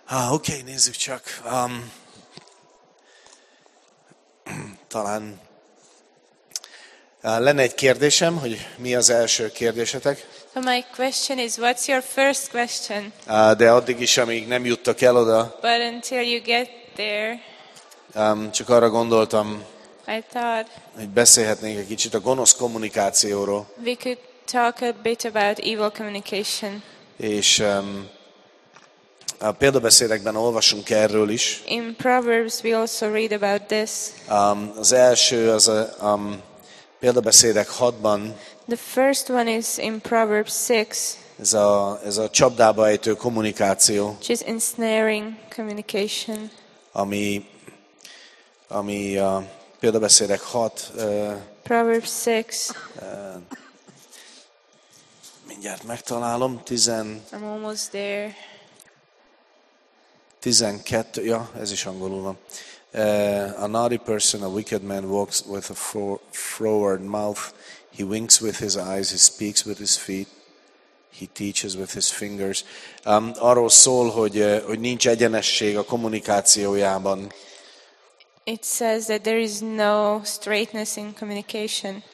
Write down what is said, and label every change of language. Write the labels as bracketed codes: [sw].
[hu] Okay, nézzük csak. Talán lenne egy kérdésem, hogy mi az első kérdésetek? [en] So my question is, what's your first question? [hu] De addig is, amíg nem juttak el oda. [en] But until you get there. [hu] Csak arra gondoltam, [en] I thought, [hu] hogy beszélhetnénk egy kicsit a gonosz kommunikációról. [en] We could talk a bit about evil communication. [hu] És a példabeszédekben olvasunk erről is. [en] In Proverbs we also read about this. [hu] Az első az a példabeszédek 6-ban. [en] The first one is in Proverbs 6. [hu] Ez a csapdába ejtő kommunikáció. [en] Which is ensnaring communication. [hu] Ami a példabeszédek 6. [en] Proverbs 6. [hu] Mindjárt megtalálom. 10. [en] I'm almost there. [hu] 12, ja, ez is angolul van. [en] A naughty person, a wicked man, walks with a froward mouth. He winks with his eyes, he speaks with his feet. He teaches with his fingers. [hu] Arról szól, hogy nincs egyenesség a kommunikációjában. [en] It says that there is no straightness in communication.